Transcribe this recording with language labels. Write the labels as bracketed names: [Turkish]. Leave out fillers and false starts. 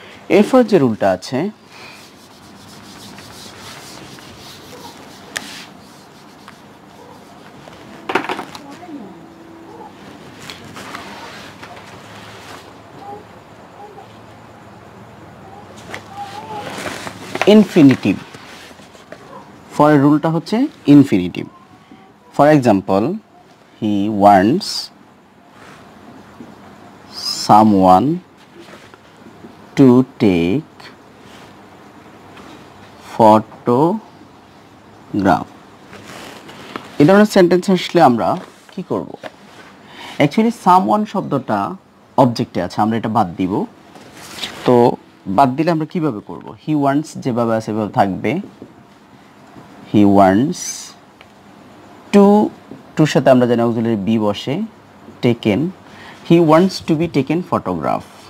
[Bangla] এরপর যে রুলটা আছে ইনফিনিটিভ ফর রুলটা হচ্ছে infinitive [English] For example, he wants someone to take photograph. [Bangla] এই ধরনের সেন্টেন্স আসলে আমরা কি করব? অ্যাকচুয়ালি সামওয়ান শব্দটা অবজেক্টে আছে, আমরা এটা বাদ দিব। তো বাদ দিলে আমরা কীভাবে করব? [English] he wants [Bangla] যেভাবে আছে সেভাবে থাকবে। [English] he wants to, [Bangla] টুর সাথে আমরা জানি [English] Auxiliary be বসে, taken, he wants to be taken photograph.